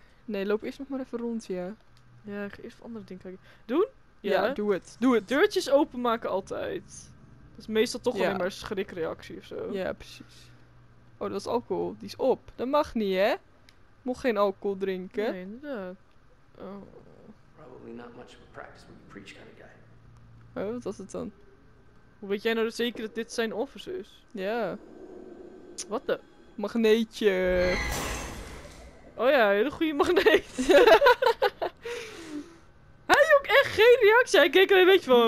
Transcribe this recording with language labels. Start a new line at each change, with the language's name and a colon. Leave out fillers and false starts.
Dutch: Nee, loop eerst nog maar even rond, ja. Ja, ik ga eerst andere dingen kijken. Doen? Ja, doe het. Doe het. Deurtjes openmaken altijd. Dat is meestal toch alleen maar een schrikreactie of zo. Ja, precies. Oh, dat is alcohol. Die is op. Dat mag niet, hè? Mocht geen alcohol drinken. Nee, inderdaad. Oh.
English: Probably not much of a practice when you preach kind of guy.
Dutch: Oh, wat was het dan? Hoe weet jij nou zeker dat dit zijn officers? Ja. Wat de? Magneetje. Oh ja, hele goede magneet. Hij had ook echt geen reactie. Hij keek er een beetje van.